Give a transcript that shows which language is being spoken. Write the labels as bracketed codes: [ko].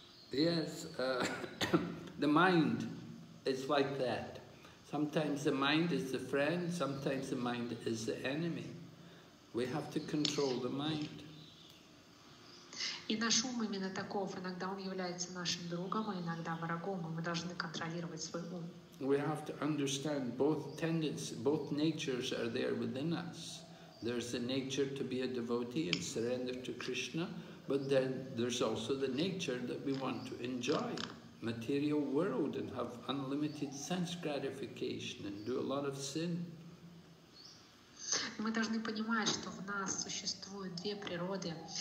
[en] Yes, the mind is like that. Sometimes the mind is the friend, sometimes the mind is the enemy. We have to control the mind. [ru] И наш ум именно таков. Иногда он является нашим другом, а иногда врагом, и мы должны контролировать свой ум. [en] We have to understand both tendencies, both natures are there within us. There's the nature to be a devotee and surrender to Krishna, but then there's also the nature that we want to enjoy material world and have unlimited sense gratification and do a lot of sin. [ru] Мы должны понимать, что в нас существуют две природы.